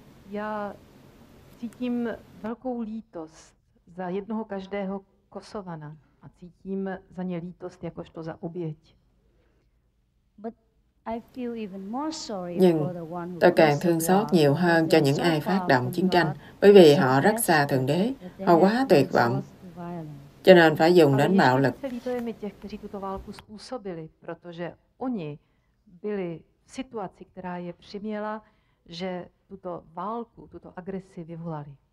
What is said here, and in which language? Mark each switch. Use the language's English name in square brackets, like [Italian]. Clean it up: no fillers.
[Czech] Já cítím velkou lítost za jednoho každého Kosovana a cítím za ně lítost jakožto za oběť. [English] But I feel even more sorry. [Vietnamese] Nhưng tôi càng thương xót nhiều hơn cho những ai phát động chiến tranh, bởi vì họ rất xa Thượng Đế, họ quá tuyệt vọng, cho nên phải dùng đến bạo lực. [Czech] Ale ještě mi těch, kteří tuto válku způsobili, protože oni byli v situaci, která je přiměla, že tuto válku, tuto agresi vyvolali.